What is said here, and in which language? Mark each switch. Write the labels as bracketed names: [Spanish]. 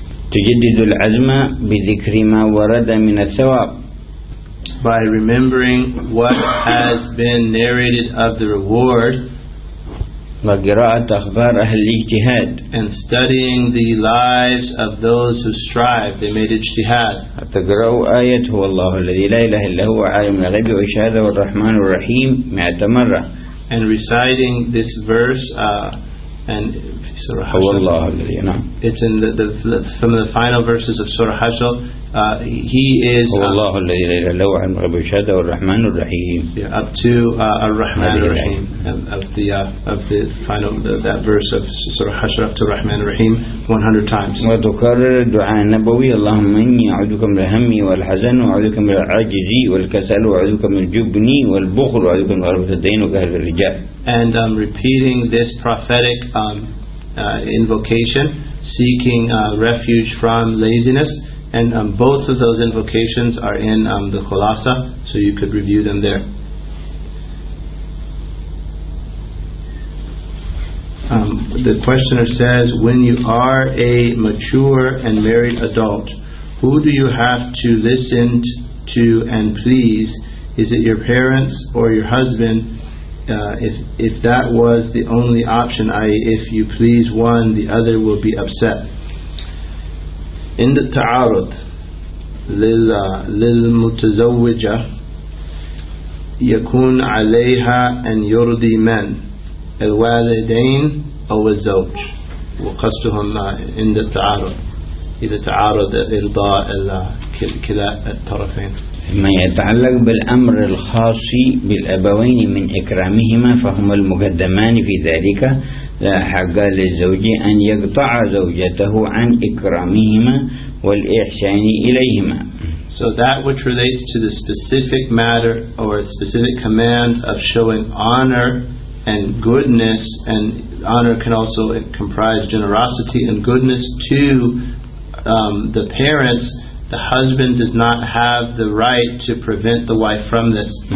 [Arabic] تجدد العزم بذكر ما ورد من الثواب. [English] By remembering what has been narrated of the reward. [Arabic] وقراءة أخبار أهل الاجتهاد. [English] And studying the lives of those who strive, they made اجتهاد. [Arabic] تقرأ آية هو الله الذي لا إله إلا هو عالم الغيب والشهادة والرحمن الرحيم 100 مرة. [English] And reciting this verse and Surah Hashr. [Arabic] هو الله الذي نعم. [English] It's in the from the final verses of Surah Hashr. He is [Arabic] هو الله الذي لا إله إلا هو عالم الغيب والشهادة والرحمن الرحيم. [English] Yeah, up to الرحمن الرحيم. Of the final that verse of Surah Hashr up to Rahman Rahim 100 times. [Arabic] وتكرر الدعاء النبوي اللهم إني أعوذك من الهم والحزن وأعوذك من العجز والكسل وأعوذك من الجبن والبخل وأعوذك من غلبة الدين وكهل الرجال. [English] And I'm repeating this prophetic invocation, seeking refuge from laziness. And both of those invocations are in the Khulasa, so you could review them there. The questioner says, when you are a mature and married adult, who do you have to listen to and please? Is it your parents or your husband? If that was the only option, i.e. if you please one, the other will be upset. In the [Arabic] ta'arud lil mutazawwija yakun alayha an yurdi man الوالدين أو الزوج وقصدهم عند التعارض إذا تعارض إرضاء كلا الطرفين ما يتعلق بالأمر الخاص بالأبوين من إكرامهما فهما المقدمان في ذلك لا حق للزوج أن يقطع زوجته عن إكرامهما والإحسان إليهما. [English] So that which relates to the specific matter or the specific command of showing honor and goodness, and honor can also comprise generosity and goodness to the parents, the husband does not have the right to prevent the wife from this.